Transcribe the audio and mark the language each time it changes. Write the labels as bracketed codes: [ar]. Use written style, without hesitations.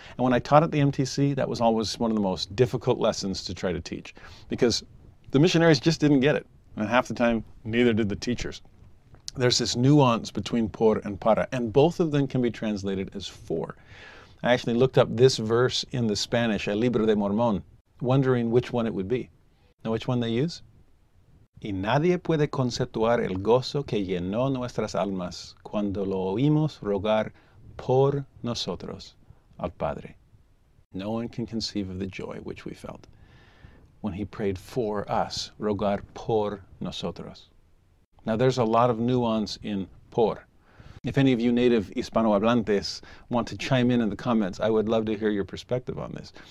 [en] And when I taught at the MTC, that was always one of the most difficult lessons to try to teach, because the missionaries just didn't get it, and half the time, neither did the teachers. There's this nuance between por and para, and both of them can be translated as for. I actually looked up this verse in the Spanish, El Libro de Mormón, wondering which one it would be. Know which one they use? [es] Y nadie puede conceptuar el gozo que llenó nuestras almas cuando lo oímos rogar por nosotros al Padre. [en] No one can conceive of the joy which we felt when he prayed for us, [es] rogar por nosotros. [en] Now, there's a lot of nuance in por. If any of you native hispanohablantes want to chime in the comments, I would love to hear your perspective on this.